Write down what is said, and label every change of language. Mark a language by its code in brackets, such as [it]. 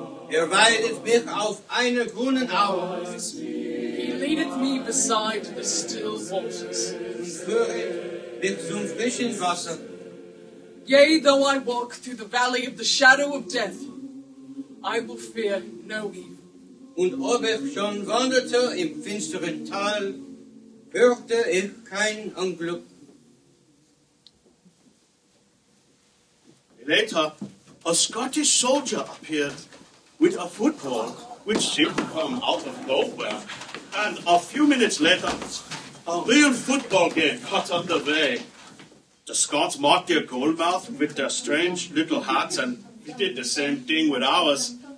[de] Er weidet mich auf einer grünen Au. [en] He leadeth me beside the still waters. [de] Und führet mich zum frischen Wasser. [en] Yea, though I walk through the valley of the shadow of death, I will fear no evil. [de] Und ob ich schon wanderte im finsteren Tal, fürchte ich kein Unglück. [en] Later, a Scottish soldier appeared with a football which seemed to come out of nowhere. And a few minutes later, a real football game got underway. The Scots marked their goal mouth with their strange little hats, and we did the same thing with ours.